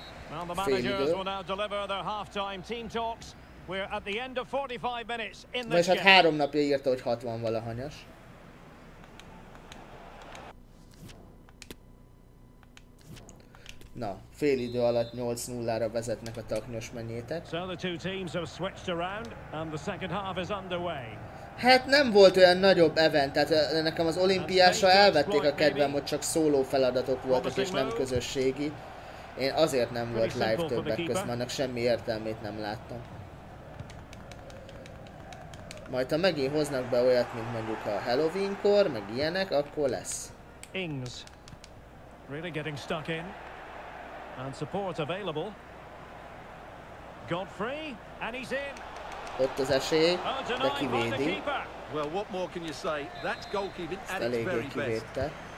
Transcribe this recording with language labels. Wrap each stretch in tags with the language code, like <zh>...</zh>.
<en>Now the managers will now deliver their half-time team talks. We're at the end of 45 minutes in this game.</en> <hu>Most hát három napja írta, hogy 60-valahanyas. Na, fél idő alatt 8-0-ra vezetnek a taknyos menyétek.</hu> <en>So the two teams have switched around and the second half is underway.</en> <hu>Hát nem volt olyan nagyobb event, tehát nekem az olimpiásra elvették a kedvem, hogy csak szóló feladatok voltak és nem közösségi. Én azért nem volt live többek közt, annak semmi értelmét nem láttam. Majd ha megint hoznak be olyat, mint mondjuk a Halloween-kor, meg ilyenek, akkor lesz.</hu> <en>Ings. Really getting stuck in. And support available. Godfrey, and he's in.</en> <hu>Ott az esély, de kivédi.</hu> <en>Well, what more can you say? That's goalkeeping at its very best.</en>